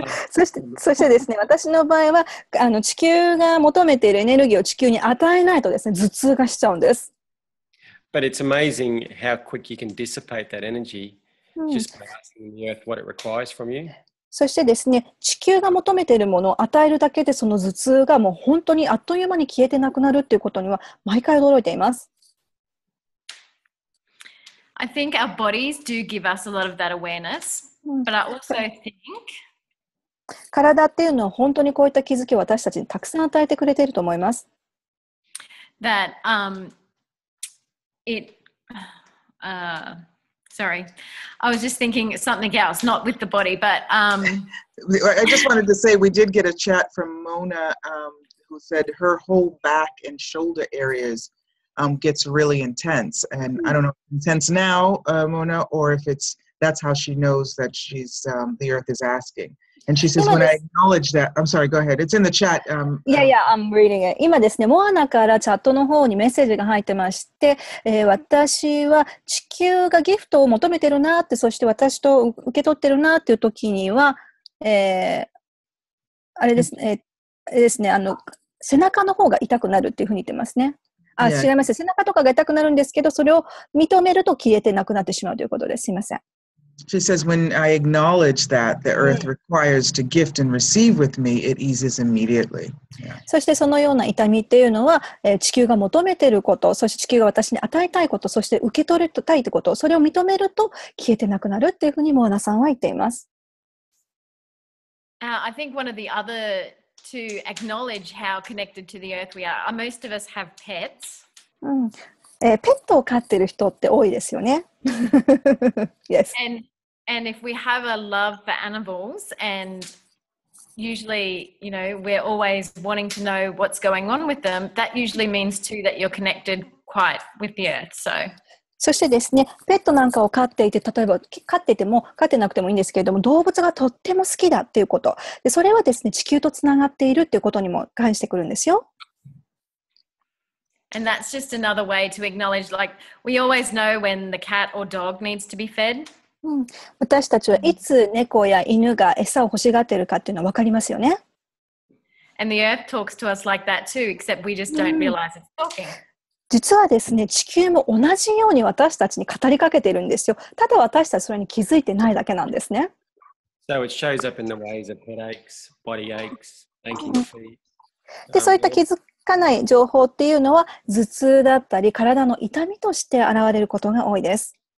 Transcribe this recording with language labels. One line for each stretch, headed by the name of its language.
Japanese: そしてですね、私の場合は地球が求めているエネルギーを地球に与えないとですね、頭痛がしちゃうんです。
English: But it's amazing how quick you can dissipate that energy. Just asking the earth what it requires from you.
Japanese: そしてですね、地球が求めているものを与えるだけでその頭痛がもう本当にあっという間に消えてなくなるっていうことには毎回驚いています。
English: I think our bodies do give us a lot of that awareness, but I also think
Japanese: 体っていうのは本当にこういった気づきを私たちにたくさん与えてくれていると思います。
English: That Sorry, I was just thinking something else, not with the body, but... I just wanted to say, we did get a chat from Mona, who said her whole back and shoulder areas gets really intense. And I don't know if it's intense now, Mona, or if it's, that's how she knows that she's, the earth is asking. And she says, when I acknowledge that, I'm sorry, go ahead. It's in the chat. I'm reading it.
Japanese: 今ですね、モアナからチャットの方にメッセージが入ってまして、私は地球がギフトを求めてるなって、そして私と受け取ってるなっていう時には、あれですね、背中の方が痛くなるっていうふうに言ってますね。あ、違います。背中とかが痛くなるんですけど、それを認めると消えてなくなってしまうということです。すいません。
English: She says, when I acknowledge that the earth requires to gift and receive with me, it eases immediately.
Japanese: そしてそのような痛みっていうのは、地球が求めていること、そして地球が私に与えたいこと、そして受け取りたいってこと、それを認めると消えてなくなるっていうふうにモーナさんは言っています。
English: I think one of the other to acknowledge how connected to the earth we are, most of us have pets.
Japanese: ペットを飼ってる人って多いですよね。
English: yes. And if we have a love for animals, and usually, you know, we're always wanting to know what's going on with them, that usually means too that you're connected quite with the earth. So.
Japanese: そしてですね、ペットなんかを飼っていて、例えば飼ってても飼ってなくてもいいんですけれども、動物がとっても好きだっていうこと。で、それはですね、地球とつながっているっていうことにも関してくるんですよ。
English: And that's just another way to acknowledge, like, we always know when the cat or dog needs to be fed.
Japanese: 私たちはいつ猫や犬が餌を欲しがっているかっていうのは分かりますよね。
English: And the earth talks to us like that too, except we just don't realize it's talking.
Japanese: 実はですね、地球も同じように私たちに語りかけているんですよ。ただ私たちはそれに気づいてないだけなんですね。
English: So it shows up in the ways of headaches, body aches, aching feet.
Japanese: で、そういった気づき、かない情報っていうのは頭痛だったり体の痛みとして現れることが多いです。